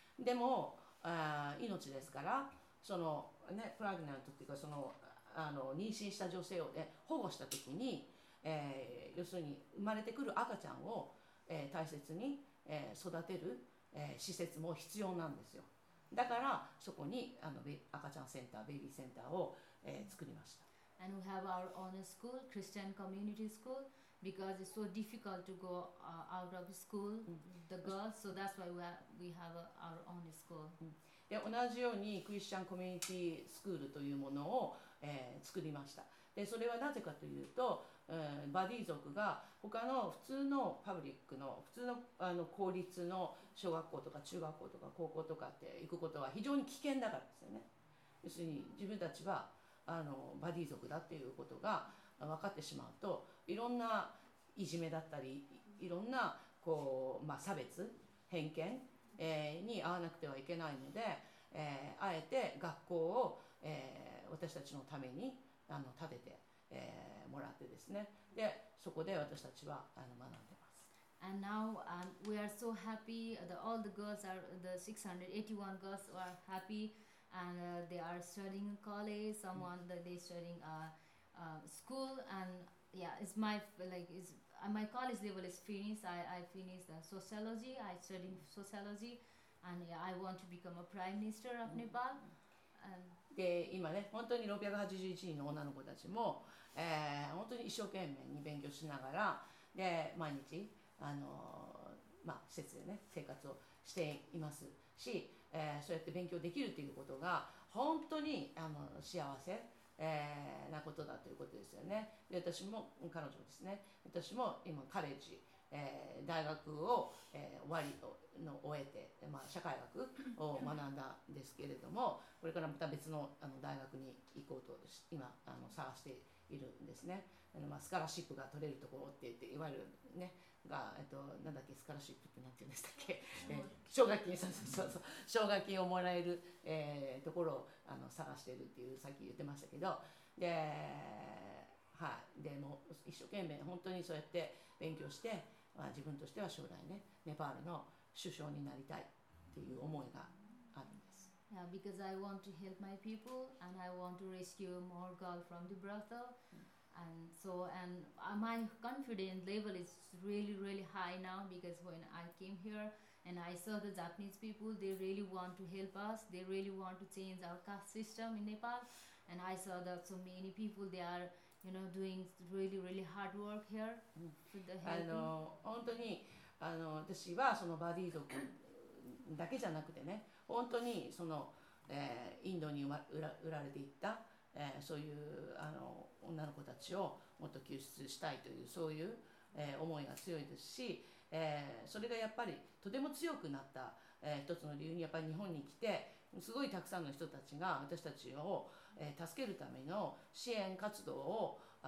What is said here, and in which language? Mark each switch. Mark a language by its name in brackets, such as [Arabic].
[Japanese] でも命ですから、そのね、プラグナントっていうか、その妊娠した女性を、ね、保護した時に、要するに生まれてくる赤ちゃんを、大切に、育てる、施設も必要なんですよ。だからそこにあの赤ちゃんセンター、ベビーセンターを、作りました。 [English] And we have our own school, Christian community school, because it's so difficult to go out of school, the girls, so that's why we have our own school. [Japanese] で同じようにクリスチャンコミュニティスクールというものを、作りました。でそれはなぜかというと、バディ族が他の普通のパブリックの普通の、あの公立の小学校とか中学校とか高校とかって行くことは非常に危険だからですよね。要するに自分たちはあのバディ族だっていうことが分かってしまうと、いろんないじめだったり、いろんなこう、まあ、差別偏見、に遭わなくてはいけないので、あえて学校を、私たちのためにあの建てて、もらってですね、でそこで私たちはあの学んでます。 [English] And now、we are so happy the, all the girls are the 681 girls are happyAnd、they are studying college. Someone that they studying school. And yeah, it's my like is my college level is finished. I finished the sociology. I studying sociology, and yeah, I want to become a prime minister of Nepal. [Japanese] で今ね本当に681人の女の子たちも、本当に一生懸命に勉強しながらで毎日あのまあ施設でね生活をしていますし。そうやって勉強できるということが本当にあの幸せ、なことだということですよね。で私も彼女ですね、私も今カレッジ、大学を、終わりの終えて、まあ、社会学を学んだんですけれども、これからまた別 の, あの大学に行こうと今あの探しているんですね。あの、まあ、スカラシップが取れるところっていっていわゆるねが、なんだっけスカラシップってなんて言うんでしたっけ、奨学金、そうそうそうそう、奨学金をもらえる、ところをあの探してるっていうさっき言ってましたけど、で、はい、でも一生懸命本当にそうやって勉強して、まあ、自分としては将来ねネパールの首相になりたいっていう思いがあるんです。 [English] Yeah, because I want to help my people and I want to rescue more girl from the brothel. And so, and my confidence level is really, really high now because when I came here and I saw the Japanese people, they really want to help us. They really want to change our caste system in Nepal. And I saw that so many people, they are, you know, doing really, really hard work here for the help. [Japanese] 本当にあの私はそのバディ族だけじゃなくてね、本当にその、インドに売られていった、そういうあの女の子たちをもっと救出したいというそういう、思いが強いですし、それがやっぱりとても強くなった、一つの理由にやっぱり日本に来てすごいたくさんの人たちが私たちを、助けるための支援活動を、